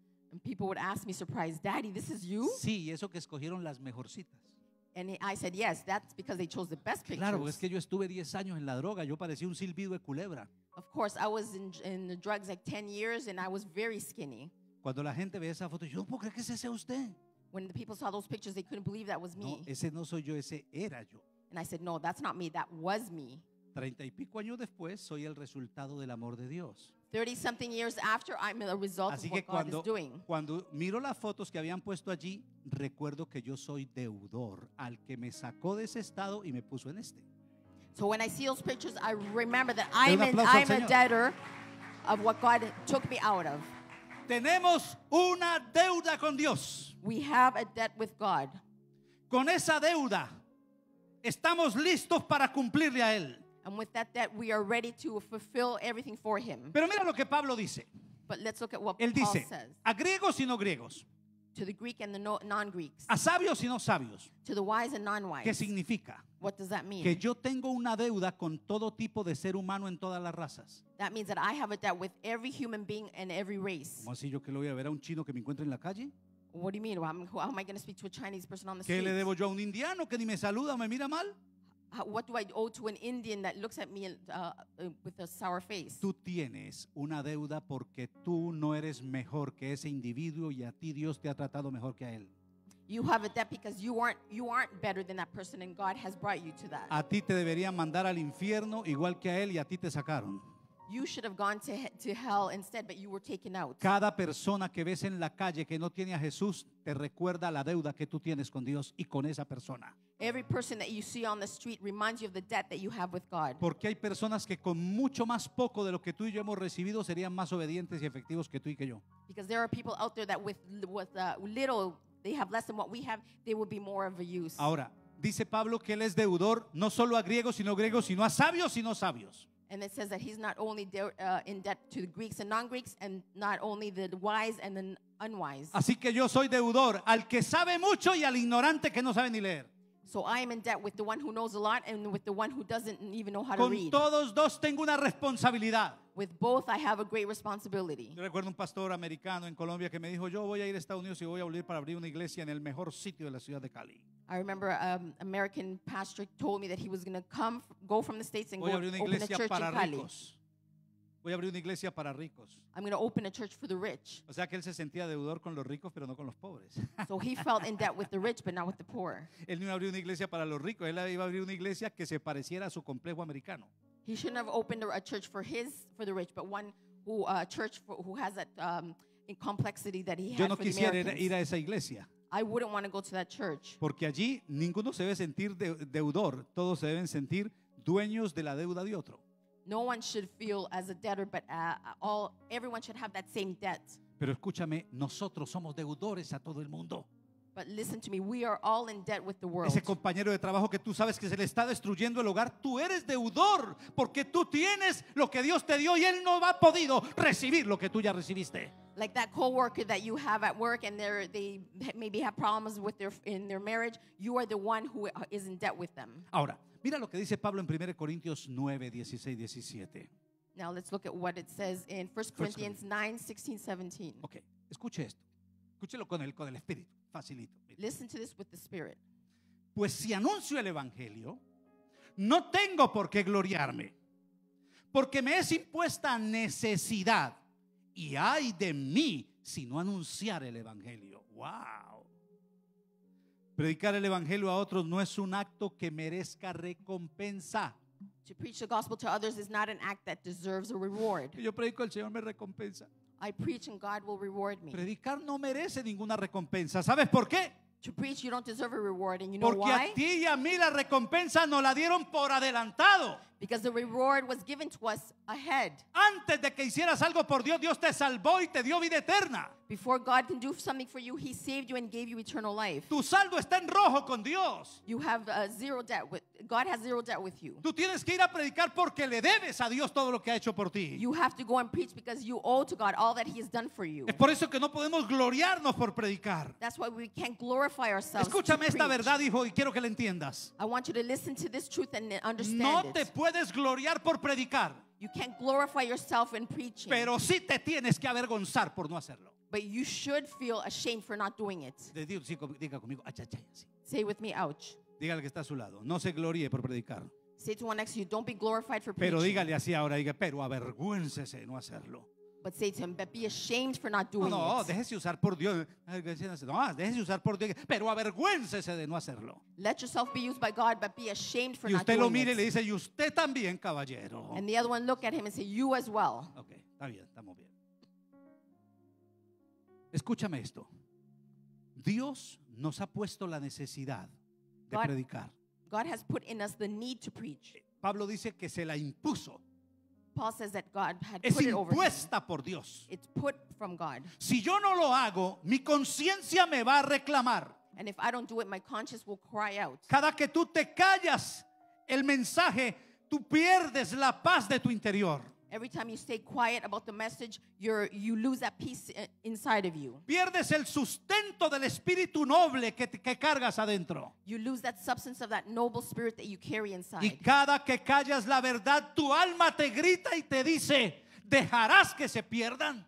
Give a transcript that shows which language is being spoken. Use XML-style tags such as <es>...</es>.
<en>And people would ask me, surprised, daddy, this is you?</en> <es>Sí, eso que escogieron las mejorcitas.</es> <en>And I said, yes, that's because they chose the best pictures.</en> <es>Claro, es que yo estuve 10 años en la droga, yo parecía un silbido de culebra.</es> <en>Of course, I was in the drugs like 10 years and I was very skinny.</en> <es>Cuando la gente ve esa foto, yo no puedo creer que ese sea usted.</es> <en>When the people saw those pictures, they couldn't believe that was me.</en> <es>No, ese no soy yo, ese era yo.</es> <en>And I said, no, that's not me, that was me.</en> <es>30 y pico años después, soy el resultado del amor de Dios.</es> <en>30 something years after, I'm the result</en> <es>Así que</es> <en>of what</en> <es>cuando,</es> <en>God is doing.</en> <es>Cuando miro las fotos que habían puesto allí, recuerdo que yo soy deudor al que me sacó de ese estado y me puso en este.</es> <en>So when I see those pictures, I remember that I'm a debtor of what God took me out of.</en> <es>Tenemos una deuda con Dios.</es> <en>We have a debt with God.</en> <es>Con esa deuda, estamos listos para cumplirle a Él.</es> <en>And with that debt, we are ready to fulfill everything for Him.</en> <es>Pero mira lo que Pablo dice.</es> <en>But let's look at what</en> <es>Él dice,</es> <en>Paul says.</en> <es>A griegos y no griegos.</es> <en>To the Greek and the non-Greeks.</en> <es>A sabios y no sabios.</es> <en>To the wise and non-wise.</en> <es>¿Qué significa?</es> <en>What does that mean?</en> <es>Que yo tengo una deuda con todo tipo de ser humano en todas las razas.</es> <en>That means that I have a debt with every human being and every race.</en> <es>¿Cómo así yo que lo voy a ver a un chino que me encuentre en la calle?</es> <en>What do you mean? How am I going to speak to a Chinese person on the</en> <es>¿Qué</es> <en>street?</en> <es>¿Qué le debo yo a un indiano que ni me saluda, me mira mal?</es> <en>What do I owe to an Indian that looks at me with a sour face?</en> <es>Tú tienes una deuda porque tú no eres mejor que ese individuo y a ti Dios te ha tratado mejor que a él.</es> <en>You have a debt because you aren't better than that person and God has brought you to that.</en> <es>A ti te deberían mandar al infierno igual que a él y a ti te sacaron.</es> <en>You should have gone to hell instead, but you were taken out.</en> <es>Cada persona que ves en la calle que no tiene a Jesús te recuerda la deuda que tú tienes con Dios y con esa persona.</es> <en>Every person that you see on the street reminds you of the debt that you have with God.</en> <es>Porque hay personas que con mucho más poco de lo que tú y yo hemos recibido serían más obedientes y efectivos que tú y que yo.</es> <en>Because there are people out there that with little, they have less than what we have, they would be more of a use.</en> <es>Ahora, dice Pablo que él es deudor no solo a griegos, sino a sabios y no sabios.</es> <en>And it says that he's not only in debt to the Greeks and non-Greeks, and not only the wise and the unwise.</en> <es>Así que yo soy deudor al que sabe mucho y al ignorante que no sabe ni leer.</es> <en>So I am in debt with the one who knows a lot and with the one who doesn't even know how</en> <es>con</es> <en>to read.</en> <es>Con todos dos tengo una responsabilidad.</es> <en>With both I have a great responsibility.</en> <es>Yo recuerdo un pastor americano en Colombia que me dijo, yo voy a ir a Estados Unidos y voy a volver para abrir una iglesia en el mejor sitio de la ciudad de Cali.</es> <en>I remember an American pastor told me that he was going to come, go from the States and</en> <es>voy</es> <en>go open a church</en> <es>para</es> <en>in Cali.</en> <es>Ricos. Voy a abrir una iglesia para ricos.</es> <en>I'm going to open a church for the rich.</en> <es>O sea que él se sentía deudor con los ricos, pero no con los pobres.</es> <en>So he felt in debt with the rich, but not with the poor.</en> <es>Él no iba a abrir una iglesia para los ricos. Él iba a abrir una iglesia que se pareciera a su complejo americano.</es> <en>He shouldn't have opened a church for his, for the rich, but one who a church for, who has that complexity that he had.</en> <es>Yo no</es> <en>for</en> <es>quisiera</es> <en>the</en> <es>ir a esa iglesia.</es> <en>I wouldn't want to go to that church.</en> <es>Porque allí ninguno se debe sentir deudor. Todos se deben sentir dueños de la deuda de otro.</es> <en>No one should feel as a debtor, but everyone should have that same debt.</en> <es>Pero escúchame, nosotros somos deudores a todo el mundo.</es> <en>But listen to me, we are all in debt with the world.</en> <es>Ese compañero de trabajo que tú sabes que se le está destruyendo el hogar, tú eres deudor porque tú tienes lo que Dios te dio y él no ha podido recibir lo que tú ya recibiste.</es> <en>Like that coworker that you have at work and they maybe have problems with in their marriage, you are the one who is in debt with them.</en> <es>Ahora, mira lo que dice Pablo en 1 Corintios 9, 16, 17.</es> <en>Now let's look at what it says in 1 Corinthians 9, 16, 17.</en> <es>Okay, escuche esto. Escúchelo con el Espíritu, facilito. Mira.</es> <en>Listen to this with the Spirit.</en> <es>Pues si anuncio el Evangelio, no tengo por qué gloriarme, porque me es impuesta necesidad. Y ay de mí si no anunciar el Evangelio. Wow. Predicar el Evangelio a otros no es un acto que merezca recompensa.</es> <en>To preach the gospel to others is not an act that deserves a reward.</en> <es>Yo predico, el Señor me recompensa.</es> <en>I preach and God will reward me.</en> <es>Predicar no merece ninguna recompensa. ¿Sabes por qué?</es> <en>To preach you don't deserve a reward, and you know</en> <es>porque</es> <en>why?</en> <es>Porque a ti y a mí la recompensa nos la dieron por adelantado.</es> <en>Because the reward was given to us ahead.</en> <es>Antes de que hicieras algo por Dios, Dios te salvó y te dio vida eterna.</es> <en>Before God can do something for you, he saved you and gave you eternal life.</en> <es>Tu saldo está en rojo con Dios.</es> <en>You have zero debt with God, has zero debt with you.</en> <es>Tú tienes que ir a predicar porque le debes a Dios todo lo que ha hecho por ti.</es> <en>You have to go and preach because you owe to God all that he has done for you.</en> <es>Es por eso que no podemos gloriarnos por predicar.</es> <en>That's why we can't glorify ourselves.</en> <es>Escúchame esta</es> <en>preach.</en> <es>Verdad, hijo, y quiero que la entiendas.</es> <en>I want you to listen to this truth and understand</en> <es>no</es> <en>it.</en> <es>No te puedes gloriar por predicar.</es> <en>You can't glorify yourself in preaching.</en> <es>Pero sí te tienes que avergonzar por no hacerlo.</es> <en>But you should feel ashamed for not doing it.</en> <es>Diga conmigo, achachay, así.</es> <en>Say with me, ouch.</en> <es>Dígale al que está a su lado, no se gloríe por predicar.</es> <en>Say to one next to you, don't be glorified for</en> <es>pero Pero dígale así ahora, diga, pero avergüéncese de no hacerlo.</es> <en>But say to him, but be ashamed for not doing</en> <es>no,</es> <en>it.</en> <es>No, déjese usar por Dios. No, déjese usar por Dios, pero avergüéncese de no hacerlo.</es> <en>Let yourself be used by God, but be ashamed for not doing it.</en> <es>Y usted lo mire y le dice, y usted también, caballero.</es> <en>And the other one look at him and say, you as well.</en> <es>Okay, está bien, estamos bien. Escúchame esto. Dios nos ha puesto la necesidad de predicar.</es> <en>God has put in us the need to preach.</en> <es>Pablo dice que se la impuso.</es> <en>Paul says that God had</en> <es>es</es> <en>put it over.</en> <es>Es impuesta por Dios.</es> <en>It's put from God.</en> <es>Si yo no lo hago, mi conciencia me va a reclamar.</es> <en>And if I don't do it, my conscience will cry out.</en> <es>Cada que tú te callas el mensaje, tú pierdes la paz de tu interior.</es> <en>Every time you stay quiet about the message, you lose that peace inside of you.</en> <es>Pierdes el sustento del espíritu noble que cargas adentro.</es> <en>You lose that substance of that noble spirit that you carry inside.</en> <es>Y cada que callas la verdad, tu alma te grita y te dice, ¿dejarás que se pierdan?</es>